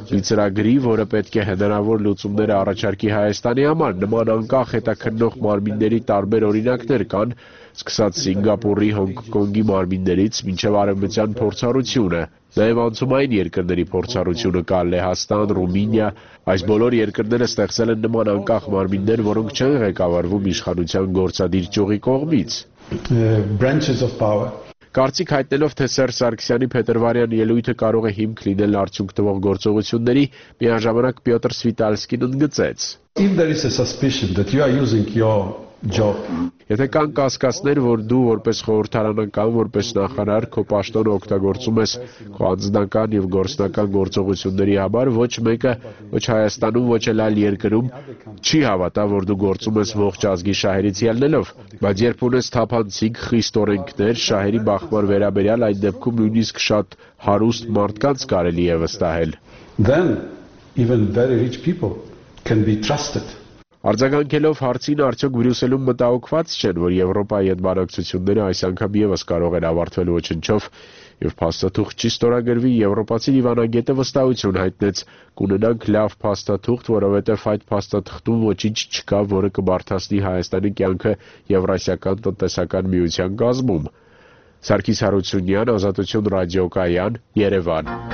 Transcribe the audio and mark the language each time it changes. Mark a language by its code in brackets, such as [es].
[hy] ծրագրի, որը պետք է հնարավոր լուծումներ առաջարկի Հայաստանի համար, նման անկախ հետաքննող մարմինների տարբեր օրինակներ կան, սկսած Սինգապուրի, Հոնկոնգի մարմիններից, մինչև արևմտյան փորձառությունը, նաև անցումային երկրների փորձառությունը, Կալեհաստան, Ռումինիա, այս բոլոր երկրները ստեղծել են նման անկախ մարմիններ, որոնք չեն ղեկավարվում իշխանության գործադիր ճյուղի կողմից։ [en] Branches of power. [hy] Կարծիք հայտնելով, թե Սերժ Սարգսյանի փետրվարյան ելույթը կարող է հիմք լինել արդյունք տվող գործողությունների, միաժամանակ Պյոտր Սվիտալսկին ընդգծեց. [en] If there is a suspicion that you are using your job. [hy] Եթե կան կասկածներ, որ դու որպես խորհրդարանական, որպես նախարար, քո պաշտոնը օգտագործում ես քո անձնական և գործնական գործողությունների համար, ոչ մեկը, ոչ Հայաստանում, ոչ էլ այլ երկրում չի հավատա, որ դու գործում ես ողջ ազգի շահերից ելնելով, բայց երբ ունես թափանցիկ, խիստ օրենքներ, շահերի բախման վերաբերյալ, այդ դեպքում նույնիսկ շատ հարուստ մարդկանց կարելի է վստահել. [en] Then even very rich people can be trusted. [hy] Արձագանքելով հարցին, արդյոք Բրյուսելում մտահոգված չեն, որ Եվրոպայի հետ բանակցությունները այս անգամ ևս կարող են ավարտվել ոչնչով, և փաստաթուղթ չի ստորագրվի, եվրոպացի դիվանագետը վստահություն հայտնեց, կունենանք լավ փաստաթուղթ, որովհետև այդ փաստաթղթում ոչինչ չկա, որը կբարդացնի Հայաստանի կյանքը Եվրասիական տնտեսական միության կազմում։ Սարգիս Հարությունյան, Ազատություն ռադիոկայան, Երևան։